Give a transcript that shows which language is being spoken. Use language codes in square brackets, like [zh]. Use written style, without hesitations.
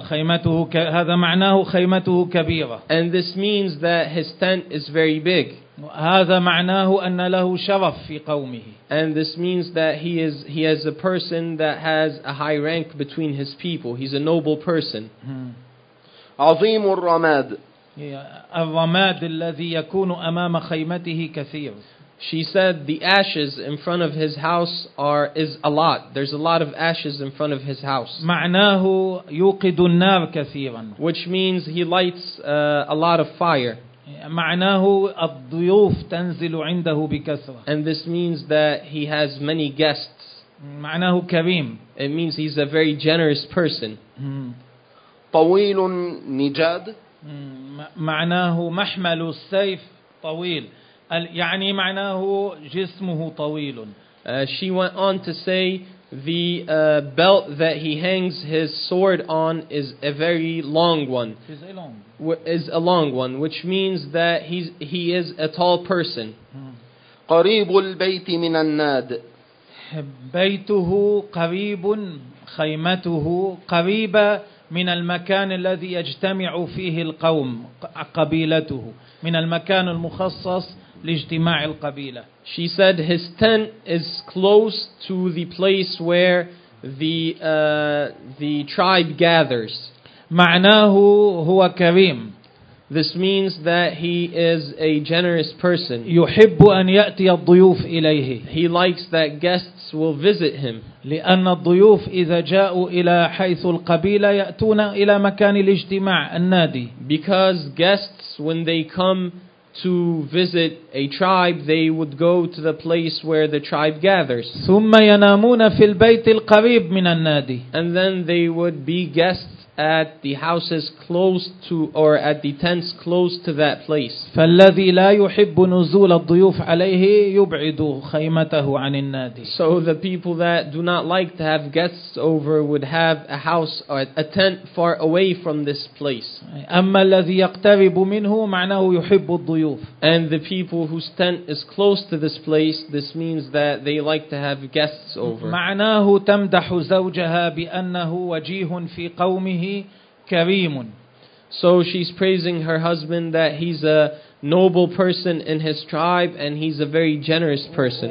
[ar] خيمته هذا معناه خيمته كبيرة. [en] And this means that his tent is very big. هذا معناه أن له شرف في قومه. And this means that he is a person that has a high rank between his people. He's a noble person. [ar] عظيم الرماد. الرماد الذي يكون أمام خيمته كثير. [en] She said the ashes in front of his house is a lot. There's a lot of ashes in front of his house. [ar] معناه يوقد النار كثيرا. [en] Which means he lights a lot of fire. [ar] معناه الضيوف تنزل عنده بكثرة. [en] And this means that he has many guests. [ar] معناه كريم. [en] It means he's a very generous person. [ar] طويل نجاد. معناه محمل السيف طويل. يعني معناه جسمه طويل. [en] She went on to say the belt that he hangs his sword on is a very long one. Is a long one, which means that he is a tall person. [ar] قريب البيت من الناد. بيته قريب. خيمته قريبة من المكان الذي يجتمع فيه القوم قبيلته. من المكان المخصص لاجتماع القبيلة. [en] She said his tent is close to the place where the tribe gathers. [ar] معناه هو كريم. [en] This means that he is a generous person. [ar] يحب أن يأتي الضيوف إليه. [en] He likes that guests will visit him. [ar] لأن الضيوف إذا جاءوا إلى حيث القبيلة يأتون إلى مكان الاجتماع النادي. [en] Because guests, when they come to visit a tribe, they would go to the place where the tribe gathers. [ar] ثم ينامون في البيت القريب من النادي. [en] And then they would be guests at the houses close to, or at the tents close to that place. [ar] فالذي لا يحب نزول الضيوف عليه يبعد خيمته عن النادي. [en] So the people that do not like to have guests over would have a house or a tent far away from this place. [ar] أما الذي يقترب منه معناه يحب الضيوف. [en] And the people whose tent is close to this place, this means that they like to have guests over. [ar] معناه تمدح زوجها بأنه وجيه في قومه كريم. [en] So she's praising her husband that he's a noble person in his tribe and he's a very generous person.